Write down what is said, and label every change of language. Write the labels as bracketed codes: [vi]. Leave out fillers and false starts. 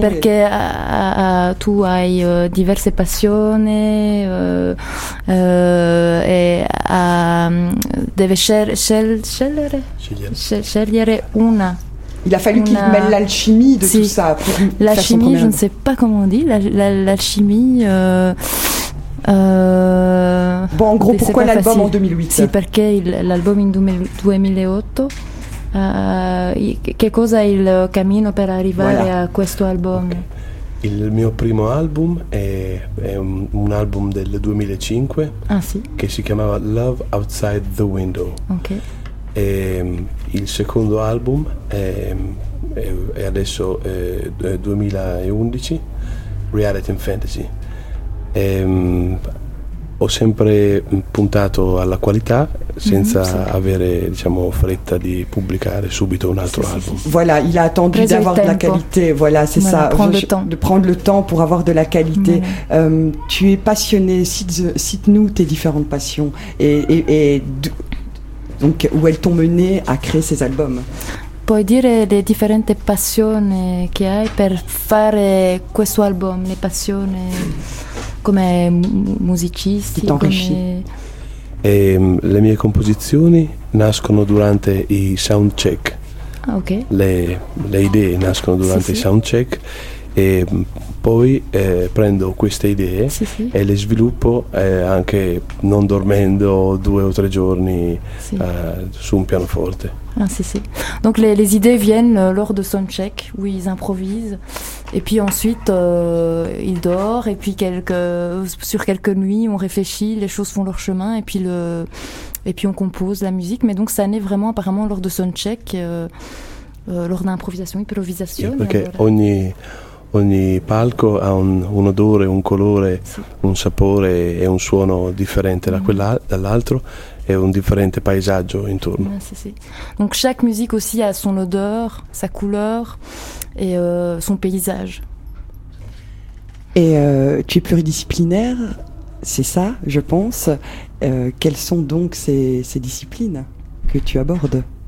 [fr] Parce que tu as diverses passions et devais [it] scegliere una. [fr] Il a fallu qu'il mêle l'alchimie de tout ça. Pour la chimie, je ne sais pas comment on dit, l'alchimie... Bon, en gros, pourquoi l'album en 2008? C'est parce que l'album en 2008... [it] che cosa è il cammino per arrivare a questo album? Okay. Il mio primo album è un album del 2005 che si chiamava Love Outside the Window. Okay. E il secondo album è adesso 2011, Reality and Fantasy. E, ho sempre puntato alla qualità senza avere, diciamo, fretta di pubblicare subito un altro album. [fr] Voilà, il a attendu [it] preso [fr] d'avoir de la qualité. Voilà, c'est voilà, Prendre le temps. De prendre le temps pour avoir de la qualité. Tu es passionné. Cite-nous tes différentes passions et donc où elles t'ont mené à créer ces albums. [it] Puoi dire le differenti passioni che hai per fare questo album, le passioni come musicisti, come... E, le mie composizioni nascono durante i sound check. Ah, ok. Le idee nascono durante i sound check e poi prendo queste idee e le sviluppo anche non dormendo due o tre giorni su un pianoforte. Ah, sì. [fr] Donc les idées viennent lors de son check où ils improvisent et puis ensuite ils dorment et puis sur quelques nuits on réfléchit, les choses font leur chemin et puis on compose la musique, mais donc ça naît vraiment apparemment lors de son check lors d'improvisation, improvisation. [it] Yeah, perché ogni palco ha un odore, un colore, un sapore e un suono differente da dall'altro. [fr] Et un différent paysage autour. Donc chaque musique aussi a son odeur, sa couleur et son paysage. Et tu es pluridisciplinaire, c'est ça, je pense. Quelles sont donc ces disciplines que tu abordes?